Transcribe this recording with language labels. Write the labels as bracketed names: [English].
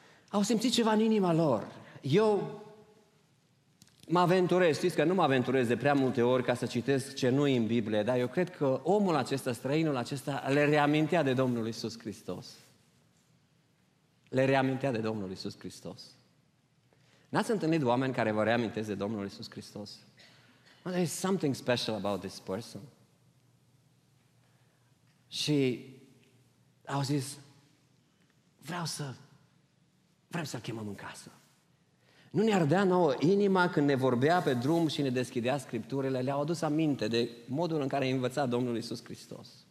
[Romanian] Au simțit ceva în inima lor. Eu mă aventurez, știți că nu mă aventurez de prea multe ori ca să citesc ce nu e în Biblie, dar eu cred că omul acesta, străinul acesta, le reamintea de Domnul Iisus Hristos. Le reamintea de Domnul Iisus Hristos. N-ați întâlnit oameni care vă reamintesc de Domnul Iisus Hristos? [English] Well, there is something special about this person. [Romanian] Și au zis, vrem să-L chemăm în casă. Nu ne ardea nouă inima când ne vorbea pe drum și ne deschidea scripturile, le-au adus aminte de modul în care a învățat Domnul Iisus Hristos.